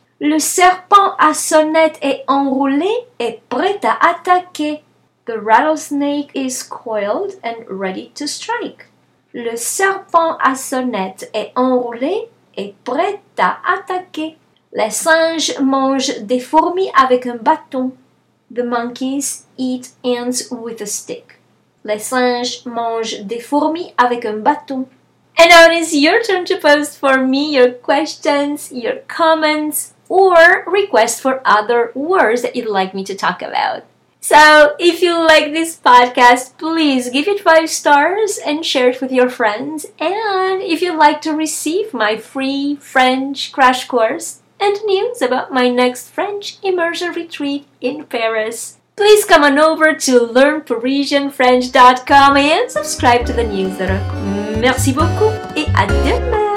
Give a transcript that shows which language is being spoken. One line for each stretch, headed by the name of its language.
French: Le serpent à sonnette est enroulé et prêt à attaquer.
English: The rattlesnake is coiled and ready to strike.
French: Le serpent à sonnette est enroulé et prêt à attaquer. Les singes mangent des fourmis avec un bâton.
English: The monkeys eat ants with a stick.
French: Les singes mangent des fourmis avec un bâton.
English: And now it is your turn to post for me your questions, your comments, or requests for other words that you'd like me to talk about. So, if you like this podcast, please give it 5 stars and share it with your friends. And if you'd like to receive my free French crash course and news about my next French immersion retreat in Paris, please come on over to learnparisianfrench.com and subscribe to the newsletter.
French: Merci beaucoup et à demain!